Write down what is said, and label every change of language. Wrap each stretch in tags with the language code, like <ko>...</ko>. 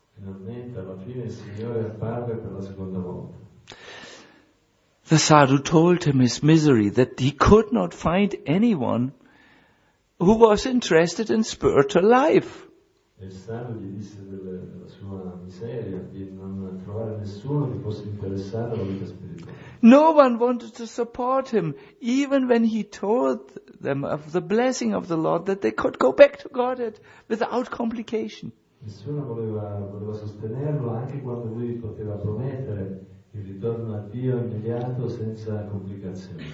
<it>Finalmente, alla fine, il Signore apparve per la seconda volta.</it> <en>The sadhu told him his misery, that he could not find anyone who was interested in spiritual life.</en> <it>Il sadhu gli disse della sua miseria, di non trovare nessuno che fosse interessato alla vita spirituale.</it> <en>No one wanted to support him, even when he told them of the blessing of the Lord, that they could go back to Godhead without complication.</en> <it>Nessuno voleva sostenerlo, anche quando lui poteva promettere il ritorno a Dio immediato senza complicazioni.</it>